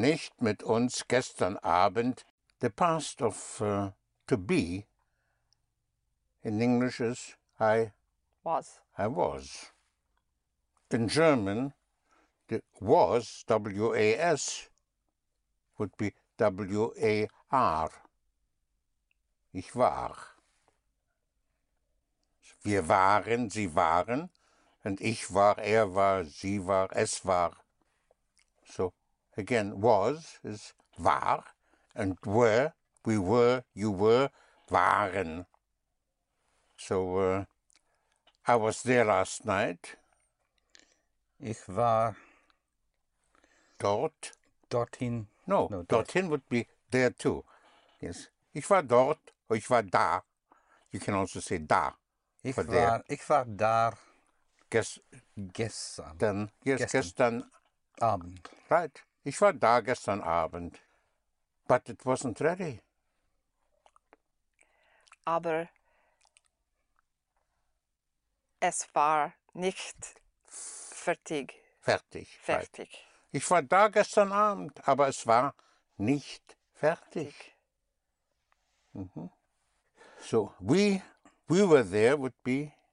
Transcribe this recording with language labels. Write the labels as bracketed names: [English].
[German] Nicht mit uns gestern Abend. [English] The past of to be in English is I was. In German, the was, W-A-S, would be W-A-R. [German] Ich war. Wir waren, sie waren. And ich war, er war, sie war, es war. [English] So, again, was is war, and were, we were, you were, waren. So, I was there last night. [German] Ich war dort. Dorthin. [English] No, dorthin would be there too. [German] Yes, ich war dort, or ich war da. [English] You can also say da. [German] Ich war da. Gestern Abend. [English] Right. [German] Ich war da gestern Abend. [English] But it wasn't ready. [German] Aber es war nicht fertig. Fertig. Right. Ich war da gestern Abend, aber es war nicht fertig. [English] So, we were there would be